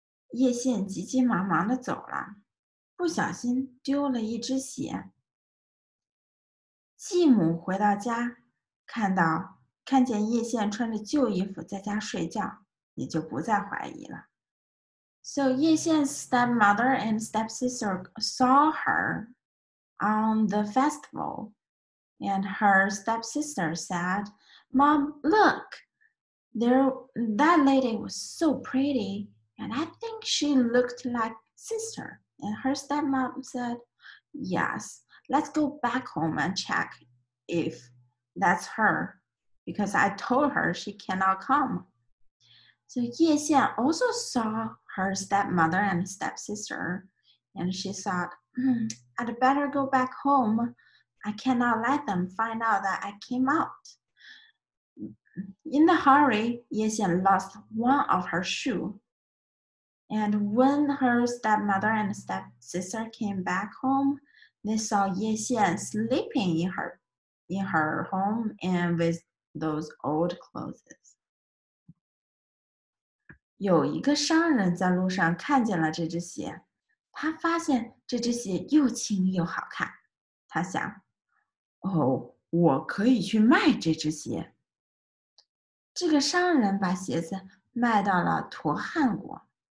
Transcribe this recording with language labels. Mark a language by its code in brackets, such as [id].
[zh] 叶线急急忙忙地走了，不小心丢了一只鞋。继母回到家，看见叶线穿着旧衣服在家睡觉，也就不再怀疑了。 [en] So Ye Xian's stepmother and stepsister saw her on the festival, and her stepsister said, "Mom, look, that lady was so pretty. And I think she looked like sister." And her stepmom said, "Yes, let's go back home and check if that's her, because I told her she cannot come." So Ye Xian also saw her stepmother and stepsister, and she thought, "I'd better go back home. I cannot let them find out that I came out." In the hurry, Ye Xian lost one of her shoes. And when her stepmother and stepsister came back home, they saw Ye Xian sleeping in her home and with those old clothes. [zh] 有一个商人在路上看见了这只鞋，他发现这只鞋又轻又好看，他想，哦，我可以去卖这只鞋。这个商人把鞋子卖到了陀汉国。